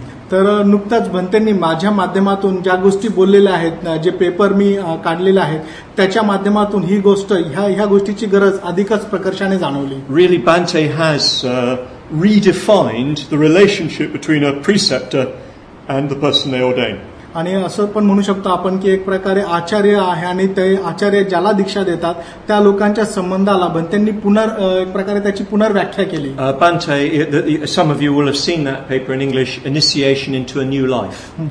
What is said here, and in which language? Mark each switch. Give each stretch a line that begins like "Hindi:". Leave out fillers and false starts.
Marathi: तर नुकताच भंतेंनी माझ्या माध्यमातून ज्या गोष्टी बोललेल्या आहेत जे पेपर मी काढलेले आहेत त्याच्या माध्यमातून ही गोष्ट ह्या गोष्टीची गरज अधिकच प्रकर्षाने जाणवली.
English: Really Bhante has redefined the relationship between a preceptor and the person they ordain.
Marathi: आणि असं पण म्हणू शकतो आपण की एक प्रकारे आचार्य आहे आणि ते आचार्य ज्याला दीक्षा देतात त्या लोकांच्या संबंधाला भंतेंनी पुनर्व्याख्या केली.
English: Bhante, some of you will have seen that paper in English, Initiation into a New Life.